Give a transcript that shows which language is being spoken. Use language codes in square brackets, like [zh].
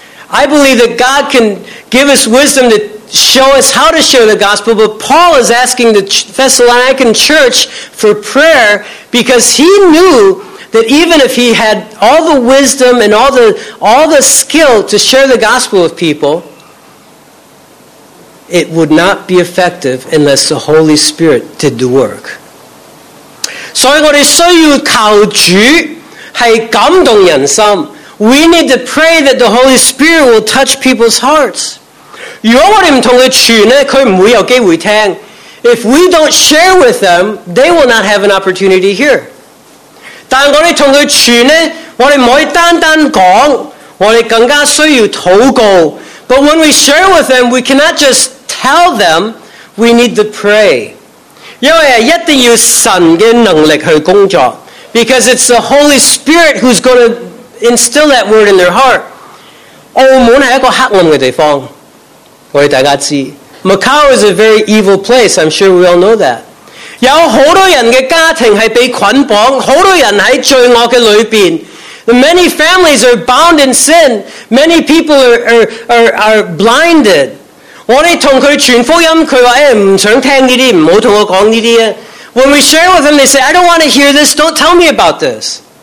[en] I believe that God can give us wisdom to show us how to share the gospel, but Paul is asking the Thessalonican church for prayer because he knew that even if he had all the wisdom and all the skill to share the gospel with people, it would not be effective unless the Holy Spirit did the work. [zh] 所以我们需要求主是感动人心。 [en] We need to pray that the Holy Spirit will touch people's hearts. [zh] 如果我们不同他传，他不会有机会听。 [en] If we don't share with them, they will not have an opportunity to hear. [zh] 但我们同他传，我们不可以单单讲，我们更加需要祷告。 [en] But when we share with them, we cannot just tell them, we need to pray. [zh] 因为一定要神的能力去工作， [en] because it's the Holy Spirit who's going to instill that word in their heart. [zh] 澳门是一个黑暗的地方，我们大家知道。 [en] Macau is a very evil place, I'm sure we all know that. [zh] 有很多人的家庭是被捆绑，很多人在罪恶的里面。 [en] Many families are bound in sin, many people are blinded. [zh] 我们跟他传福音，他说，哎，不想听这些，不要跟我说这些。 [en] When we share with them, they say, I don't want to hear this, don't tell me about this.